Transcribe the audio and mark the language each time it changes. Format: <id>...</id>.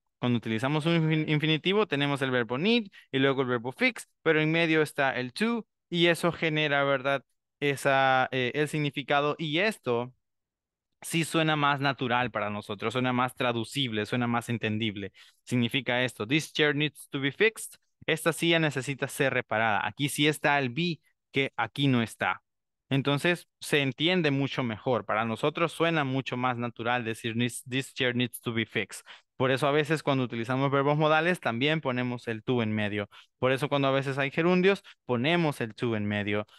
<es>Cuando utilizamos un infinitivo, tenemos el verbo need y luego el verbo fix, pero en medio está el to y eso genera, ¿verdad?, el significado y esto sí suena más natural para nosotros, suena más traducible, suena más entendible. Significa esto,</es> <en>this chair needs to be fixed.</en> <es>Esta silla necesita ser reparada. Aquí sí está el be, que aquí no está. Entonces, se entiende mucho mejor. Para nosotros suena mucho más natural decir</es> <en>this chair needs to be fixed.</en> <es>Por eso a veces cuando utilizamos verbos modales, también ponemos el to en medio. Por eso cuando a veces hay gerundios, ponemos el to en medio.</es>